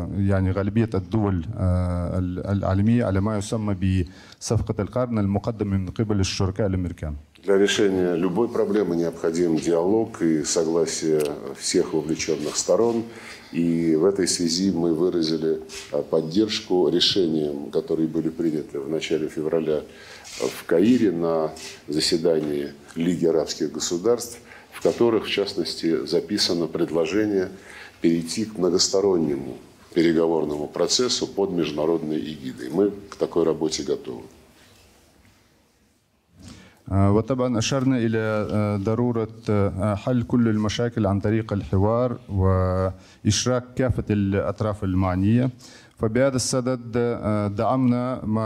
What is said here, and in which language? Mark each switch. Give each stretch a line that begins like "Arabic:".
Arabic: يعني غالبية الدول العالمية على ما يسمى بصفقة القرن المقدمة من قبل الشركاء الأمريكان.
Russian: Для решения любой проблемы необходим диалог и согласие всех вовлеченных сторон. И в этой связи мы выразили поддержку решениям, которые были приняты в начале февраля в Каире на заседании Лиги арабских государств, в которых, в частности, записано предложение перейти к многостороннему переговорному процессу под международной эгидой. Мы к такой работе готовы.
Arabic: وطبعا أشرنا إلى ضرورة حل كل المشاكل عن طريق الحوار وإشراك كافة الأطراف المعنية فبهذا السبب دعمنا